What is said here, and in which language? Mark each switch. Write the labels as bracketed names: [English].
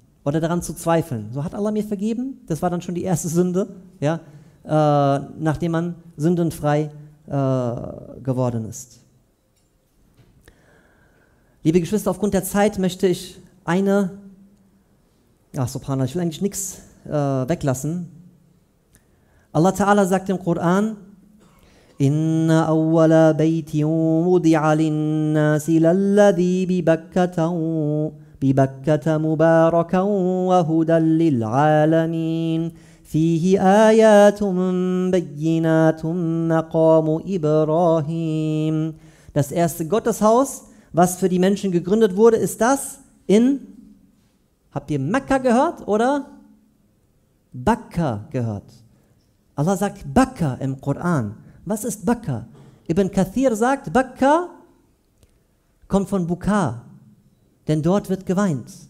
[German] Oder daran zu zweifeln. So, hat Allah mir vergeben? Das war dann schon die erste Sünde, ja, nachdem man sündenfrei geworden ist. Liebe Geschwister, aufgrund der Zeit möchte ich eine, ach Subhanallah, ich will eigentlich nichts weglassen. Allah Ta'ala sagt im Koran, [Arabic] إن أول بيت وضع للناس للذي ببكة مباركا وهدى للعالمين فيه آيات بينات مقام إبراهيم. [German] Das erste Gotteshaus, was für die Menschen gegründet wurde, ist das in, habt ihr Mekka gehört oder Bakka gehört? Allah sagt Bakka im Koran. Was ist Bakka? Ibn Kathir sagt, Bakka kommt von Bukka, denn dort wird geweint.